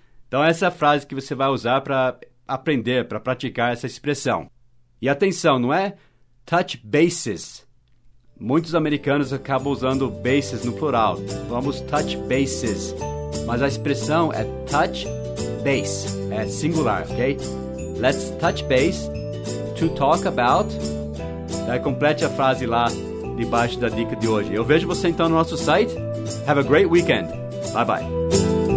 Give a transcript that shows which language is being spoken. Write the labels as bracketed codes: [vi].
[pt] Então, essa é a frase que você vai usar para aprender, para praticar essa expressão. E atenção, não é touch bases. Muitos americanos acabam usando bases no plural. Vamos touch bases. Mas a expressão é touch base. É singular, ok? [en] Let's touch base to talk about. [pt] Daí complete a frase lá debaixo da dica de hoje. Eu vejo você então no nosso site. [en] Have a great weekend. Bye bye.